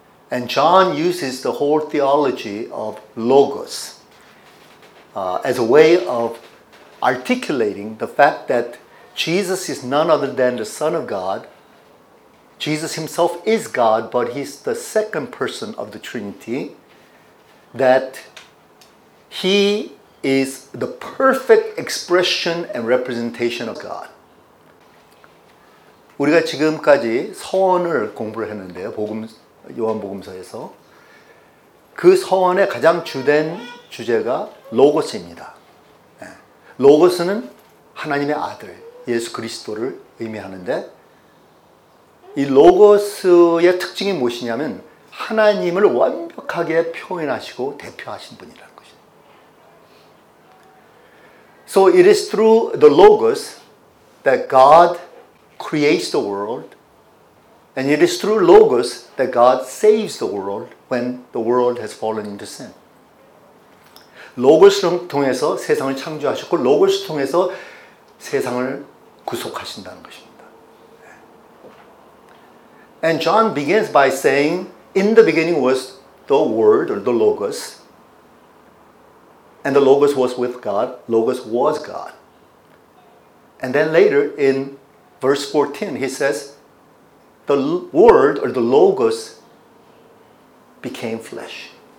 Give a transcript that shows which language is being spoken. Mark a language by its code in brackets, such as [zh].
[en] And John uses the whole theology of logos as a way of articulating the fact that Jesus is none other than the Son of God. Jesus himself is God, but he's the second person of the Trinity. That he is the perfect expression and representation of God. [ko] 우리가 지금까지 서원을 공부를 했는데요. 요한복음서에서 그 서원의 가장 주된 주제가 로고스입니다. 로고스는 하나님의 아들, 예수 그리스도를 의미하는데 이 로고스의 특징이 무엇이냐면 하나님을 완벽하게 표현하시고 대표하신 분이라는 것입니다. [en] So it is through the Logos that God creates the world and it is through Logos that God saves the world when the world has fallen into sin. [ko] 로고스를 통해서 세상을 창조하셨고 로고스를 통해서 세상을 구속하신다는 것입니다. [en] And John begins by saying, In the beginning was the Word, or the Logos. And the Logos was with God. Logos was God. And then later in verse 14, he says, The Word, or the Logos, became flesh.